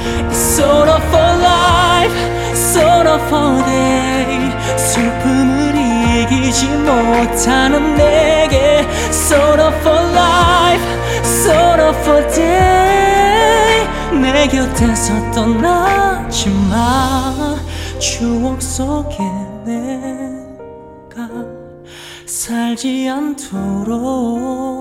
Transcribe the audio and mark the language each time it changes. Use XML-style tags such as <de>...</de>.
<en>Solo for life, solo for day.</en> <ko>슬픔을 이기지 못하는 내게.</ko> <en>Solo for life, solo for day.</en> <ko>내 곁에서 떠나지 마. 추억 속에 내가 살지 않도록.</ko>